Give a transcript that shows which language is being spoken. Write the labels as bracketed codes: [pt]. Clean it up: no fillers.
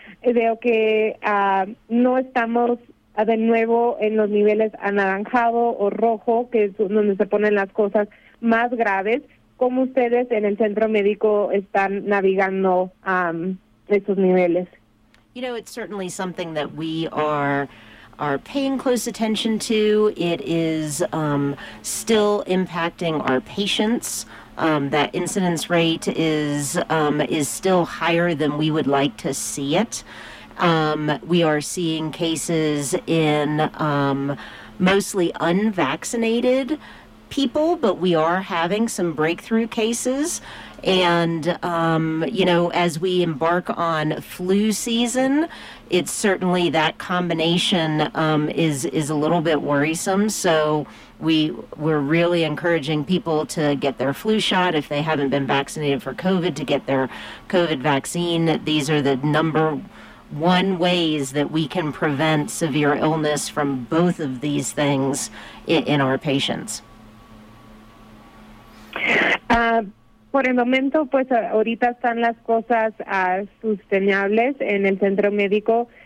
[es] Veo que no estamos de nuevo en los niveles anaranjado o rojo, que es donde se ponen las cosas más graves. ¿Cómo ustedes en el centro médico están navegando esos niveles? [en] You know, it's certainly something that we are paying close attention to. It is still impacting our patients. That incidence rate is still higher than we would like to see it. We are seeing cases in mostly unvaccinated people, but we are having some breakthrough cases. And, you know, as we embark on flu season, it's certainly that combination is a little bit worrisome. So we're really encouraging people to get their flu shot if they haven't been vaccinated for COVID, to get their COVID vaccine. These are the number one ways that we can prevent severe illness from both of these things in our patients. [es] Por el momento, pues ahorita están las cosas sostenibles en el centro médico.